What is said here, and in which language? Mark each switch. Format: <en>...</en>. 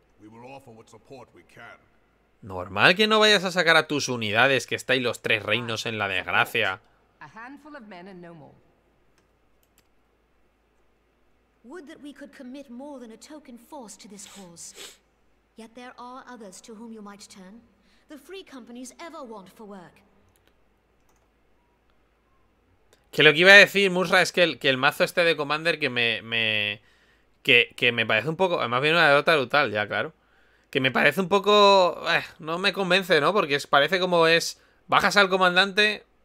<en>We will offer what support we can.</en> <es>Normal que no vayas a sacar a tus unidades, que estáis los tres reinos en la desgracia.</es> <en>A handful of men and no more. Would that we could commit more than a token force to this cause. Yet there are others to whom you might turn. The free companies ever want for work.</en> <es>Que lo que iba a decir, Musra, es que el mazo este de Commander que me me parece un poco... Además viene una derrota brutal, ya, claro. Que me parece un poco... no me convence, ¿no? Porque es, parece como es... Bajas al comandante...</es>